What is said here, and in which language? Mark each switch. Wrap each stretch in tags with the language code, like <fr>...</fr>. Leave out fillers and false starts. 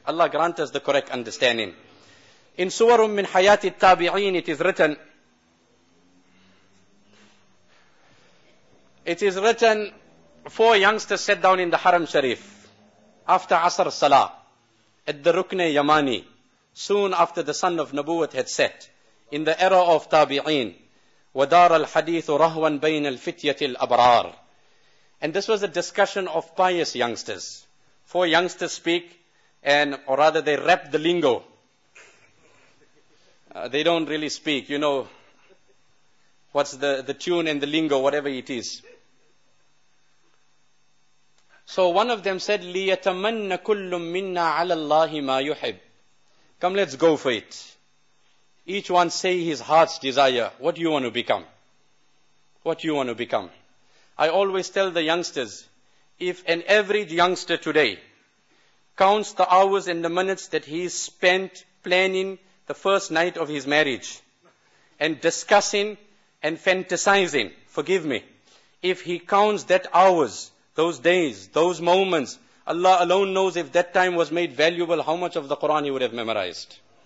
<en>Allah grant us the correct understanding. In Suwarum min Hayati Tabi'een it is written, four youngsters sat down in the Haram Sharif after Asr Salah at the Rukne Yamani, soon after the sun of Nabuwat had set, in the era of Tabi'een.</en> <ar>ودار الحديث رهوان بين الفتية الأبرار.</ar> <en>And this was a discussion of pious youngsters. Four youngsters speak, or rather they rap the lingo. They don't really speak, you know, what's the tune and the lingo, whatever it is. So one of them said,</en> <ar>لِيَتَمَنَّ كُلٌّ مِنَّا عَلَى اللَّهِ مَا يُحِبْ.</ar> <en>Come, let's go for it. Each one say his heart's desire. What do you want to become? What do you want to become? I always tell the youngsters, if an average youngster today counts the hours and the minutes that he spent planning the first night of his marriage and discussing and fantasizing, forgive me, if he counts that hours, those days, those moments, Allah alone knows if that time was made valuable, how much of the Quran he would have memorized.</en>